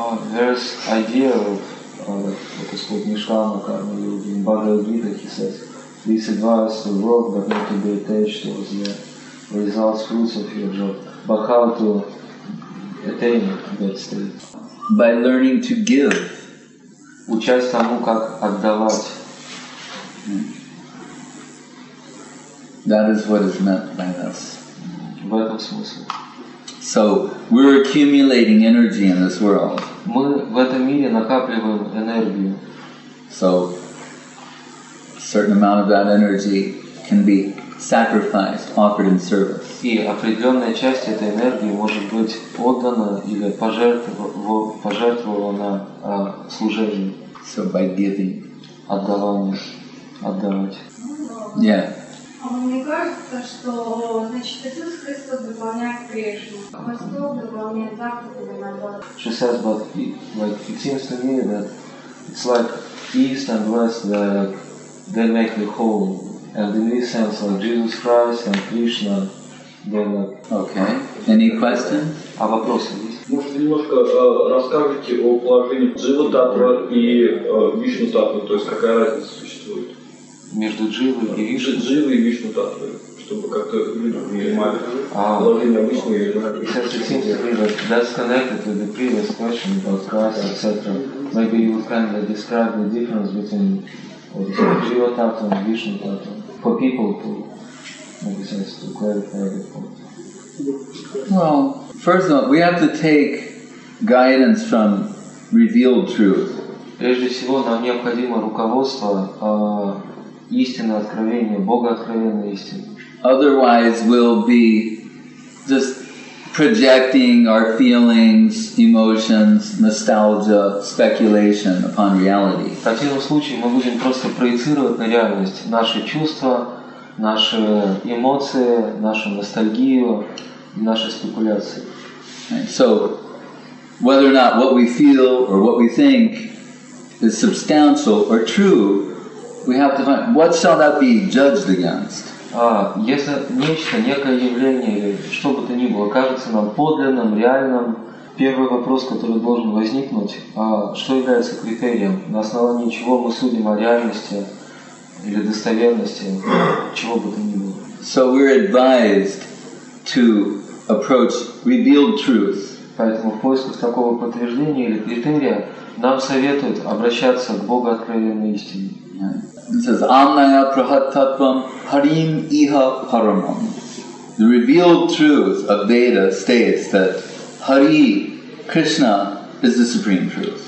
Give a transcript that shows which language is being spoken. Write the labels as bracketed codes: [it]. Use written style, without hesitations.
[en] There's idea of what is called Nishkama Karma Yoga in Bhagavad Gita, he says, please advise the world but not to be attached towards the results, fruits of your job, but how to attain that state. By learning to give. [ru] Учась тому, как отдавать. [en] That is what is meant by this. [ru] В этом смысле. [en] So we're accumulating energy in this world. [ru] Мы в этом мире накапливаем энергию. [en] So certain amount of that energy can be sacrificed, offered in service. [ru] И определенная часть этой энергии может быть отдана или пожертвована служению. [en] So by giving. [ru] Отдавать. [en] Yeah. [ru] Мне кажется, что, значит, Иисус Христос дополняет Кришну. Христос дополняет заповеди на благо. [en] She says, but it seems to me that it's like East and West, they make the whole. And in this sense, like Jesus Christ and Krishna, they're like... Okay. Any questions? [ru] А вопросы есть? Может, немножко расскажете о положении Дживататва и Вишнататвы, то есть какая разница существует? Между дживой и вишну? Дживой и вишну татвой, чтобы как-то люди понимали положение обычной и вишну. [en] It seems to me that that's connected with the previous question about Christ, etc. Maybe you would kind of describe the difference between dživa tattva and vishnu tattva for people to, maybe says, to clarify the point. Well, first of all, we have to take guidance from revealed truth. [ru] Прежде всего, нам необходимо руководство истины, откровения, Бога откровенной истины. [en] Otherwise, we'll be just projecting our feelings, emotions, nostalgia, speculation upon reality. [ru] В противном случае мы будем просто проецировать на реальность наши чувства, наши эмоции, нашу ностальгию, наши спекуляции. [en] So, whether or not what we feel or what we think is substantial or true, we have to find, what shall that be judged against? [ru] Если нечто, некое явление, или что бы то ни было, кажется нам подлинным, реальным, первый вопрос, который должен возникнуть, что является критерием, на основании чего мы судим о реальности или достоверности, чего бы то ни было. [en] So we're advised to approach revealed truth. [ru] Поэтому в поисках такого подтверждения или критерия нам советуют обращаться к Богу откровенной истине. [en] It says, [sa] Amnaya Prahatattvam Harim Iha Paramam. [en] The revealed truth of Veda states that Hari, Krishna, is the supreme truth.